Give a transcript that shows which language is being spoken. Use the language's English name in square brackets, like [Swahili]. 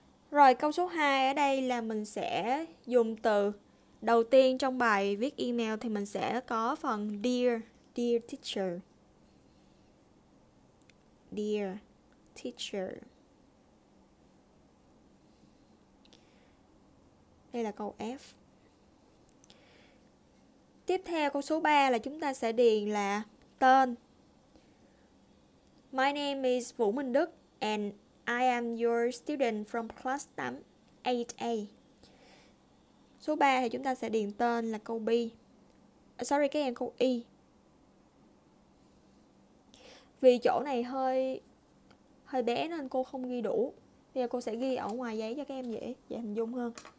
[Vietnamese] Rồi câu số 2 ở đây là mình sẽ dùng từ đầu tiên trong bài viết email thì mình sẽ có phần [English] Dear Teacher. [Vietnamese] Đây là câu F. Tiếp theo câu số 3 là chúng ta sẽ điền là tên. [English] My name is Vũ Minh Đức and I am your student from class 8A. [Vietnamese] Số 3 thì chúng ta sẽ điền tên là câu B. Sorry, các em câu Y. Vì chỗ này hơi bé nên cô không ghi đủ. Bây giờ cô sẽ ghi ở ngoài giấy cho các em dễ hình dung hơn.